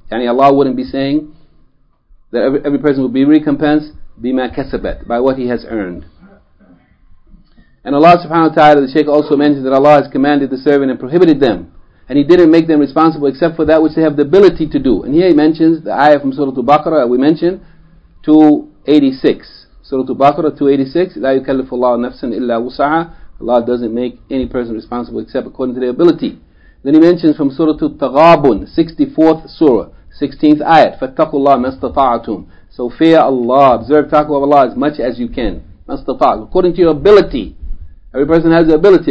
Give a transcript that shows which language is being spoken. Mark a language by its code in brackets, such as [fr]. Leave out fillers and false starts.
[en] Yani Allah wouldn't be saying that every person will be recompensed bima kasabat, by what he has earned. And Allah subhanahu wa ta'ala, the Shaykh also mentioned that Allah has commanded the servant and prohibited them. And He didn't make them responsible except for that which they have the ability to do. And here He mentions the ayah from Surah Al-Baqarah, we mentioned, 286. Surah Al-Baqarah 286, [ar] لَا يُكَلِّفُ اللَّهُ نَفْسًا إِلَّا وُسْعَهَا. [en] Allah doesn't make any person responsible except according to their ability. Then He mentions from Surah Al-Taghabun, 64th Surah, 16th ayat, [ar] فَاتَّقُوا اللَّهَ مَا اسْتَطَاعَتُمْ. [en] So fear Allah, observe taqwa of Allah as much as you can. According to your ability. Every person has the ability.